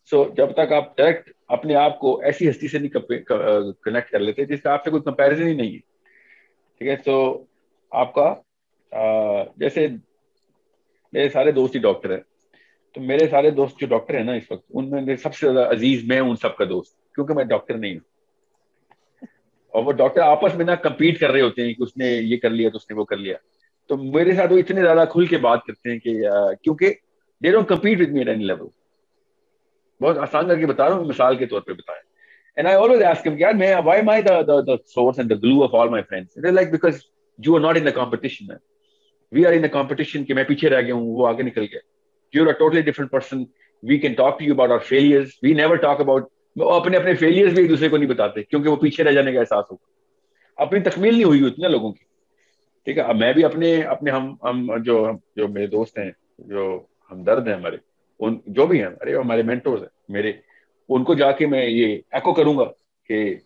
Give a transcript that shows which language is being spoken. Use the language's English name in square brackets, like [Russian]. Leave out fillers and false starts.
[Urdu] سو جب تک آپ ڈائریکٹ اپنے آپ کو ایسی ہستی سے نہیں کنیکٹ کر لیتے جس کا آپ سے کوئی کمپیریزن ہی نہیں ہے, ٹھیک ہے. سو آپ کا جیسے میرے سارے دوست ہی ڈاکٹر ہیں, تو میرے سارے دوست جو ڈاکٹر ہیں نا اس وقت, ان میں سب سے زیادہ عزیز میں ہوں ان سب کا دوست, کیونکہ میں ڈاکٹر نہیں ہوں. اور وہ ڈاکٹر آپس میں نا کمپیٹ کر رہے ہوتے ہیں کہ اس نے یہ کر لیا تو اس نے وہ کر لیا, تو میرے ساتھ وہ اتنے زیادہ کھل کے بات کرتے ہیں کہ کیونکہ [English] They don't compete with me at any level. [Urdu] بہت آسان کر کے بتا رہا ہوں, مثال کے طور پہ بتایا. [English] and I always ask him, یار میں why um I the the the source and the glue of all my friends, they like because you are not in the competition, we are in the competition, [Urdu] کہ میں پیچھے رہ گیا ہوں وہ آگے نکل گیا. [English] you are a totally different person, we can talk to you about our failures, we never talk about, [Urdu] وہ اپنے فیلئرز بھی ایک دوسرے کو نہیں بتاتے کیونکہ وہ پیچھے رہ جانے کا احساس ہوگا, اپنی تکمیل نہیں ہوئی اتنے لوگوں کی, ٹھیک ہے. اب میں بھی اپنے ہم جو میرے دوست ہیں, جو ہمدرد ہیں ہمارے, ان جو بھی ہیں ارے ہمارے مینٹورز ہیں میرے, ان کو جا کے میں یہ ایکو کروں گا کہ